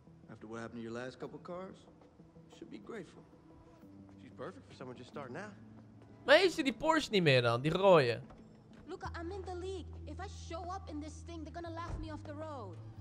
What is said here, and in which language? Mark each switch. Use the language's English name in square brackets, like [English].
[English] After what happened to your last couple cars, you should be grateful. She's perfect for someone just starting out. [Dutch] Maar heeft ze die Porsche niet meer dan, die rode? [English] Luca, I'm in the league. If I show up in this thing, they're gonna laugh me off the road.